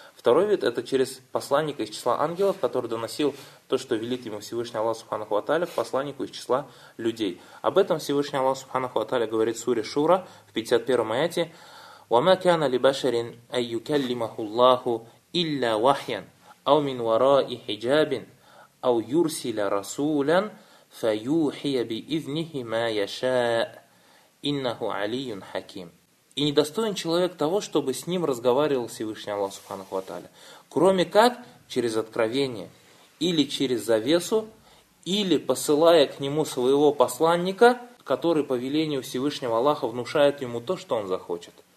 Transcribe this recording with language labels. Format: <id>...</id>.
<ru>Второй вид – это через посланника из числа ангелов, который доносил то, что велит ему Всевышний Аллах Субханаху ва Тааля, к посланнику из числа людей. Об этом Всевышний Аллах Субханаху ва Тааля говорит в суре Шура, в 51-м аяте.</ru> <ar>«Вама кана ли башарин ай юкаллимаху Аллаху илля вахьян, ау мин вара и хиджабин». أو يرسل رسولا فيوحي بإذنه ما يشاء إنه علي حكيم.</ar> <ru>И недостоин человек того, чтобы с ним разговаривал Всевышний Аллах Субханаху ва Тааля, кроме как через откровение, или через завесу, или посылая к нему своего посланника, который по велению Всевышнего Аллаха внушает ему то, что он захочет.</ru>